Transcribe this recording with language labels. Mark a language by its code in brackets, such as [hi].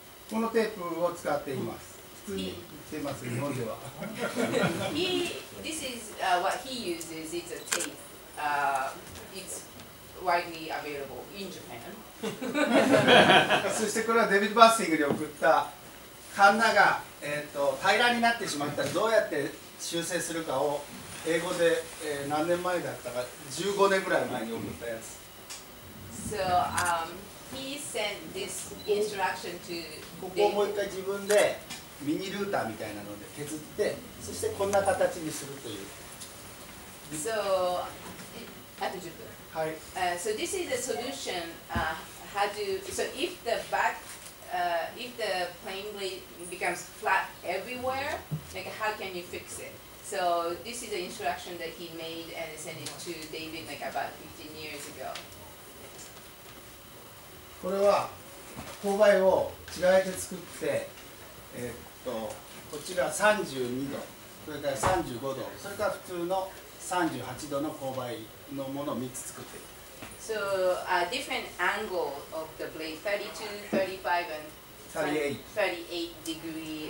[ja] このテープを使っています。普通に言ってます、日本では。 [en] He, this is、what he uses, it's a tape.、it's widely available in Japan. [ja] そしてこれはデビッド・バッシングに送ったカンナが、平らになってしまったらどうやって修正するかを英語で、何年前だったか、15年ぐらい前に送ったやつ。 [en] So, he sent this instruction to [ja] ここをもう一回自分でミニルーターみたいなので削ってそしてこんな形にするという。 So, あと10分。はい。 [en] So this is the solution, how to, so if the back, if the plane blade becomes flat everywhere, like how can you fix it? So this is the instruction that he made and sent it to David like about 15 years ago. [ja] これは勾配を違えて作って、こちら32度、それから35度、それから普通の38度の勾配のものを3つ作っている。 [en] So, a different angle of the blade, 32, 35 and 38 degree.